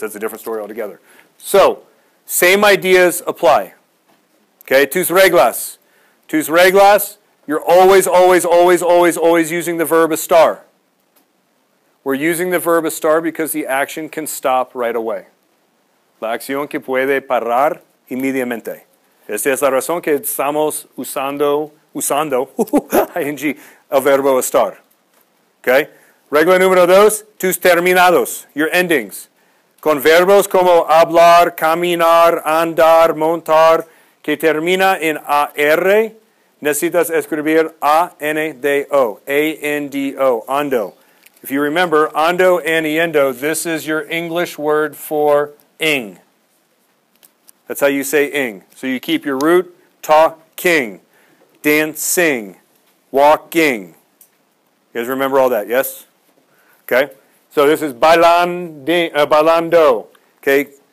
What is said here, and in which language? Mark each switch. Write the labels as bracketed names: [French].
[English] That's a different story altogether. So, same ideas apply. [Spanish] Okay, tus reglas. Tus reglas, [English] you're always, always, always, always, always using the verb estar. We're using the verb estar because the action can stop right away. [Spanish] La acción que puede parar inmediatamente. Esta es la razón que estamos usando ing, el verbo estar. Okay? Regla número dos, tus terminados, [English] your endings. [Spanish] Con verbos como hablar, caminar, andar, montar, que termina en AR, necesitas escribir ANDO, ANDO, ando. [English] If you remember, ando, aniendo, this is your English word for ing. That's how you say ing. So you keep your root, talking, dancing, walking. You guys remember all that, yes? Okay. So this is bailando. Okay.